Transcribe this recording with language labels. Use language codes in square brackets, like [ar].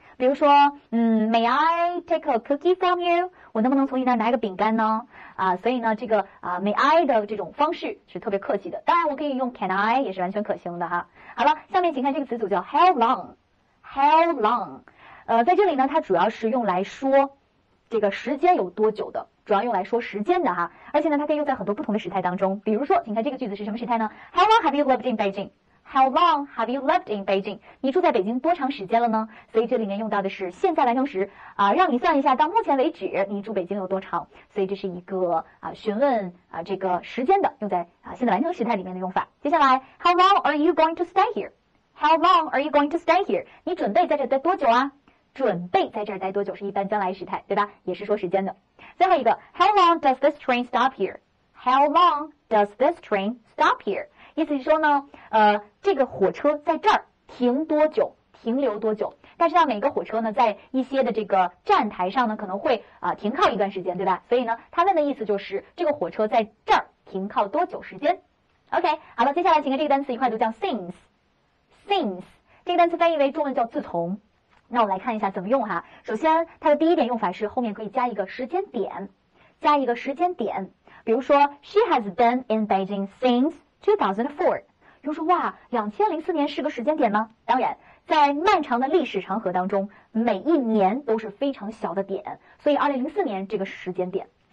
[zh] 比如说 [en] may I take a cookie from you， [zh] 我能不能从你那儿拿一个饼干呢所以呢这个may I 的这种方式是特别客气的，当然我可以用 can I 也是完全可行的哈。好了，下面请看这个词组叫 how long，在这里呢它主要是用来说这个时间有多久的，主要用来说时间的哈。而且呢它可以用在很多不同的时态当中，比如说请看这个句子是什么时态呢？ [en] How long have you lived in Beijing? How long have you lived in Beijing? [zh] 你住在北京多长时间了呢？所以这里面用到的是现在完成时让你算一下到目前为止你住北京有多长，所以这是一个询问这个时间的用在现在完成时态里面的用法。接下来 [en] How long are you going to stay here? How long are you going to stay here? [zh] 你准备在这待多久啊？准备在这儿待多久是一般将来时态，对吧？也是说时间的。 [en] 最后一个 How long does this train stop here? How long does this train stop here? [zh] 意思是说呢这个火车在这儿停多久，停留多久。但是呢每个火车呢在一些的这个站台上呢可能会停靠一段时间，对吧？所以呢他问的意思就是这个火车在这儿停靠多久时间。 OK， 好了，接下来请跟这个单词一块读，叫 since， 这个单词翻译为中文叫自从。那我来看一下怎么用哈。首先它的第一点用法是后面可以加一个时间点，加一个时间点。比如说 [en] She has been in Beijing since 2004。 [zh] 又说哇2004年是个时间点吗？当然在漫长的历史长河当中每一年都是非常小的点，所以2004年这个是时间点。